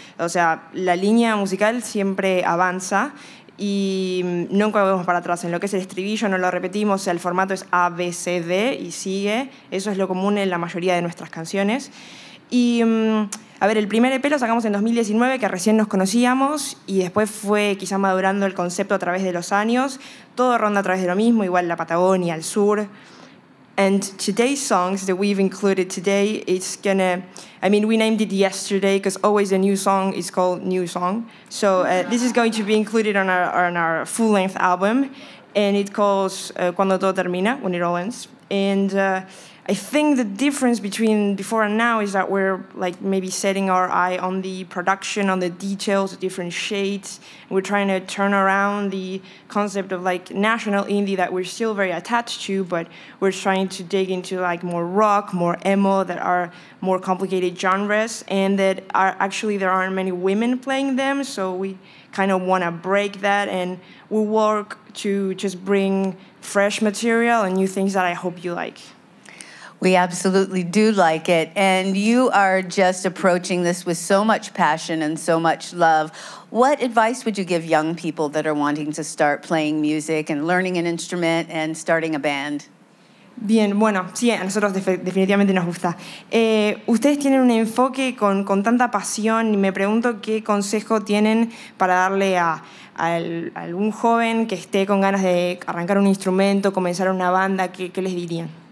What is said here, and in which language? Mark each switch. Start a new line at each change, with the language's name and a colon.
Spanish: O sea, la línea musical siempre avanza y nunca vamos para atrás. En lo que es el estribillo no lo repetimos, o sea, el formato es A, B, C, D y sigue. Eso es lo común en la mayoría de nuestras canciones. Y a ver, el primer EP lo sacamos en 2019, que recién nos conocíamos, y después fue quizá madurando el concepto a través de los años. Todo ronda a través de lo mismo, igual la Patagonia, el sur.
English: And today's songs that we've included today, it's gonna, I mean, we named it yesterday because always a new song is called new song. So this is going to be included on our full-length album. And it calls Cuando todo termine, when it all ends. And I think the difference between before and now is that we're like maybe setting our eye on the production, on the details, different shades. We're trying to turn around the concept of like national indie that we're still very attached to, but we're trying to dig into like more rock, more emo, that are more complicated genres, and that are actually there aren't many women playing them. So we kind of want to break that, and we work to just bring fresh material and new things that I hope you like. We absolutely do like it. And you are just approaching this with so much passion and so much love. What advice would you give young people that are wanting to start playing music and learning an instrument and starting a band?
Spanish: Bien, bueno, sí, a nosotros definitivamente nos gusta. Ustedes tienen un enfoque con tanta pasión y me pregunto qué consejo tienen para darle a algún joven que esté con ganas de arrancar un instrumento, comenzar una banda, ¿qué les dirían?